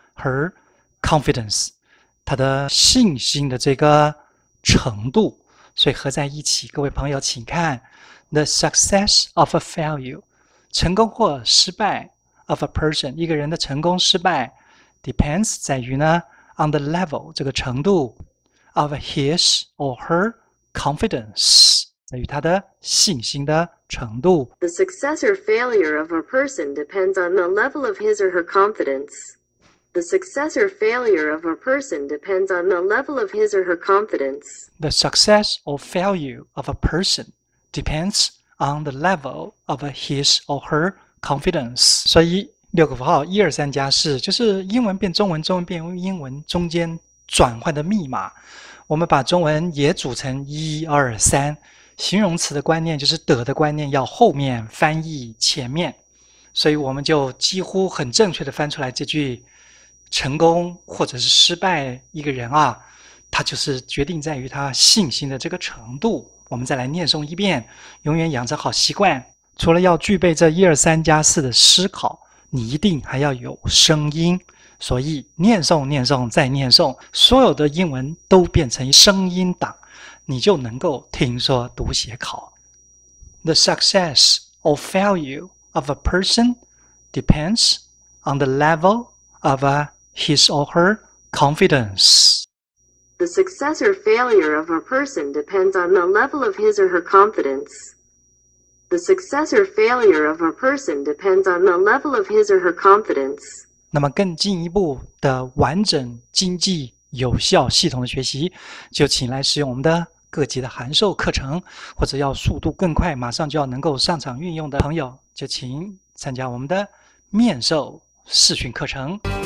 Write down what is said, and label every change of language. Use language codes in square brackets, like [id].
[zh] her confidence，他的信心的这个程度，所以合在一起，各位朋友请看 the success of a failure。成功或失败 of a person，一个人的成功失败 depends 在于呢 on the level 这个程度 of his or her confidence，在于他的信心的程度。 [en] The success or failure of a person depends on the level of his or her confidence. The success or failure of a person depends on the level of his or her confidence. The success or failure of a person depends on the level of his or her confidence。 [zh] 所以六个符号一二三加四就是英文变中文，中文变英文，中间转换的密码。我们把中文也组成一二三，形容词的观念就是的的观念要后面翻译前面，所以我们就几乎很正确的翻出来这句：成功或者是失败，一个人啊，他就是决定在于他信心的这个程度。我们再来念诵一遍，永远养成好习惯。除了要具备这一二三加四的思考，你一定还要有声音。所以念诵念诵再念诵，所有的英文都变成声音档，你就能够听说读写考。 [en] The success or failure of a person depends on the level of his or her confidence. The success or failure of a person depends on the level of his or her confidence. The success or failure of a person depends on the level of his or her confidence. [zh] 那么更进一步的完整、经济、有效、系统的学习，就请来使用我们的各级的函授课程，或者要速度更快、马上就要能够上场运用的朋友，就请参加我们的面授试训课程。